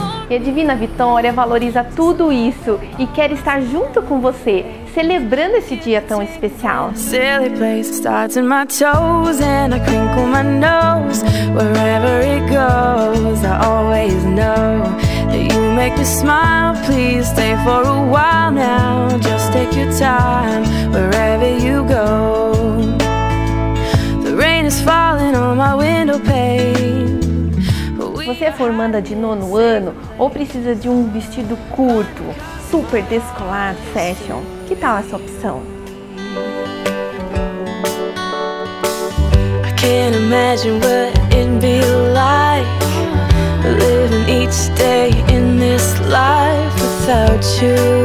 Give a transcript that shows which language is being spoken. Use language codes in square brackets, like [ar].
[pt] E a Divina Vitória valoriza tudo isso e quer estar junto com você, celebrando esse dia tão especial. [en] Silly place starts in my toes and I crinkle my nose. Wherever it goes, I always know that you make me smile. Please stay for a while now. Just take your time wherever you go. The rain is falling on my window pane. [pt] Você é formanda de nono ano ou precisa de um vestido curto, super descolado, fashion? Que tal essa opção? [en] I can't imagine what it'd be like living each day in this life without you.